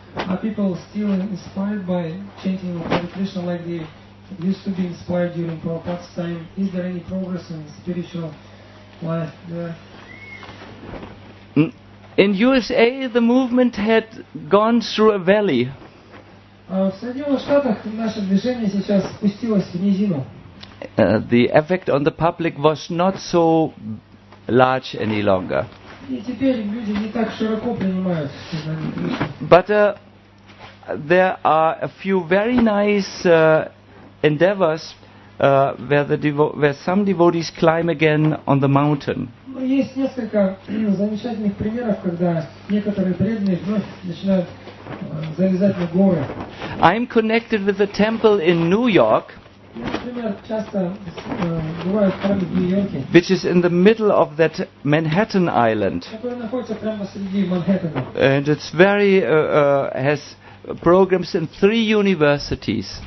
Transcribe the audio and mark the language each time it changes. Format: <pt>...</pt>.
<en>Are people still inspired by chanting of Hare Krishna like they used to be inspired during Prabhupada's time? Is there any progress in spiritual life there? In USA, the movement had gone through a valley.</en> <ru>В Соединенных Штатах наше движение сейчас спустилось в низину.</ru> <en>The effect on the public was not so large any longer. But there are a few very nice endeavors where some devotees climb again on the mountain.</en> <ru>Есть несколько замечательных примеров, когда некоторые преданные вновь начинают залезать на горы.</ru> <en>I'm connected with a temple in New York. Which is in the middle of that Manhattan Island. And it's very has programs in three universities.</en>